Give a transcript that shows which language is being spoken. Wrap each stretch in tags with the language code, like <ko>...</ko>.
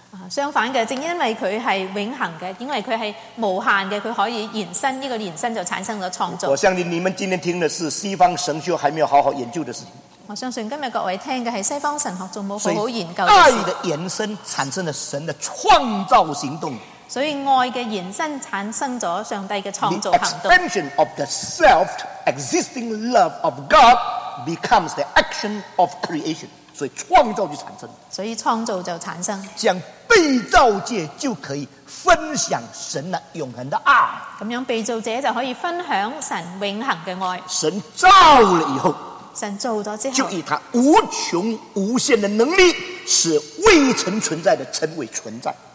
<zh>相反的，正因为他是永恒的，因为他是无限的，他可以延伸，这个延伸就产生了创造。我相信你们今天听的是西方神学还没有好好研究的事情，我相信今天各位听的是西方神学还没有好好研究爱的延伸产生了神的创造行动，所以爱的延伸产生了上帝的创造行动。</zh> <en>The expansion of the self-existing love of God becomes the action of creation，</en> <zh>所以创造就产生，所以创造就产生，这样被造界就可以分享神的永恒的爱，这样被造者就可以分享神永恒的爱。神造了以后，神做了之后，就以他无穷无限的能力使未曾存在的成为存在，</zh>